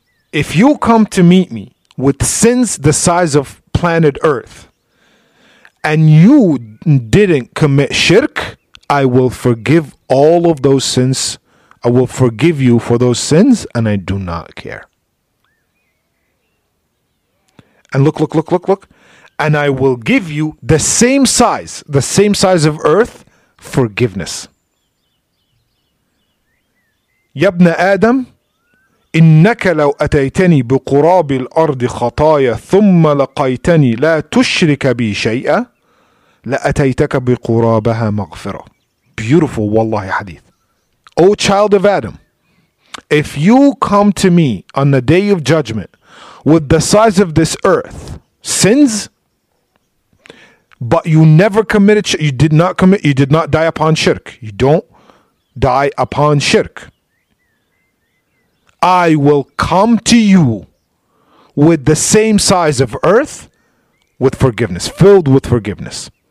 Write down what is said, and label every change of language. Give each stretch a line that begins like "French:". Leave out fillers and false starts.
English: If you come to meet me with sins the size of planet Earth and you didn't commit shirk, I will forgive all of those sins. I will forgive you for those sins and I do not care. and look, and I will give you the same size of earth, forgiveness.
Arabic: يا ابن آدم إنك لو أتيتني بقراب الأرض خطايا ثم لقيتني لا تشرك بي شيئا لأتيتك بقرابها مغفرة.
English: Beautiful
Arabic: والله حديث.
English: O child of Adam, if you come to me on the day of judgment with the size of this earth, sins, but you never committed, you did not die upon shirk. You don't die upon shirk. I will come to you with the same size of earth with forgiveness, filled with forgiveness.